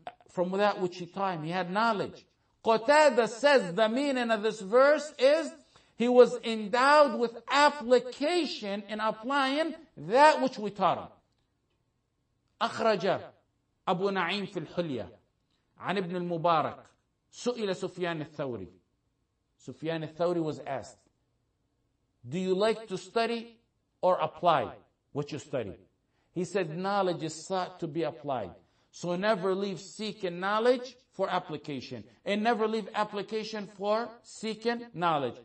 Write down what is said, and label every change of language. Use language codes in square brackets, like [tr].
[en] From that which he taught him, he had knowledge. Qatada says the meaning of this verse is, he was endowed with application in applying that which we taught him. Akhraja [ar] أبو نعيم في الحلية عن ابن المبارك سئل سفيان الثوري. [en] سفيان الثوري was asked, do you like to study or apply what you study? He said, knowledge is sought to be applied. So never leave seeking knowledge for application. And never leave application for seeking knowledge.